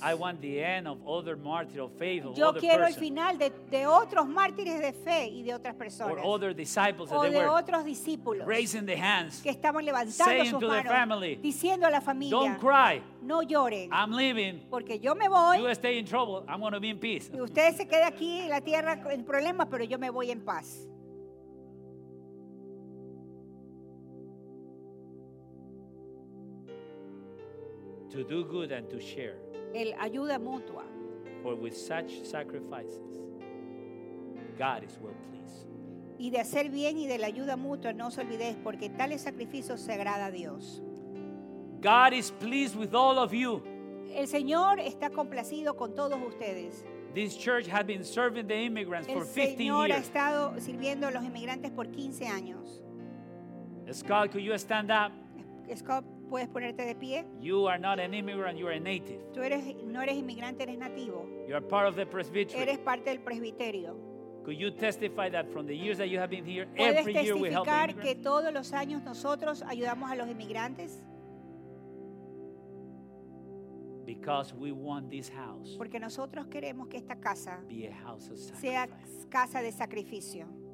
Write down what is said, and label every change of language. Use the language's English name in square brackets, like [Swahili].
[English] I want the end of other martyrs of faith, of [Spanish] yo [English] other [Spanish] quiero [English] person. [Spanish] El final de otros mártires de fe y de otras personas. [English] Or other disciples [Spanish] o [English] that [Spanish] de [English] they were [Spanish] otros discípulos [English] raising the hands, [Spanish] que estaban levantando [English] saying [Spanish] sus manos, [English] to their family, [Spanish] diciendo a la familia, [English] don't cry. [Spanish] No lloren. [English] I'm leaving. [Spanish] Porque yo me voy. [English] You stay in trouble. I'm going to be in peace. [Spanish] Y usted se queda aquí en la tierra en problemas, pero yo me voy en paz. [English] To do good and to share. [Spanish] El ayuda mutua. [English] For with such sacrifices, God is well pleased. [Spanish] Y de hacer bien y de la ayuda mutua, no os olvidéis, porque tales sacrificios se agrada a Dios. [English] God is pleased with all of you. [Spanish] El Señor está complacido con todos ustedes. [English] This church has been serving the immigrants for 15 years. [Spanish] El Señor ha estado sirviendo a los inmigrantes por 15 años. [English] Scott, could you stand up? [Spanish] Scott, ¿puedes ponerte de pie? [English] You are not an immigrant, you are a native. [Spanish] Tú eres, no eres inmigrante, eres nativo. [English] You are part of the presbytery. [Spanish] Eres parte del presbiterio. [English] Could you testify that from the years that you have been here, every year we help immigrants? [Spanish] ¿Puedes testificar que todos los años nosotros ayudamos a los inmigrantes? [English] Because we want this house, [Spanish] porque nosotros queremos que esta casa [English] be a house of sacrifice, [Spanish] sea casa de sacrificio.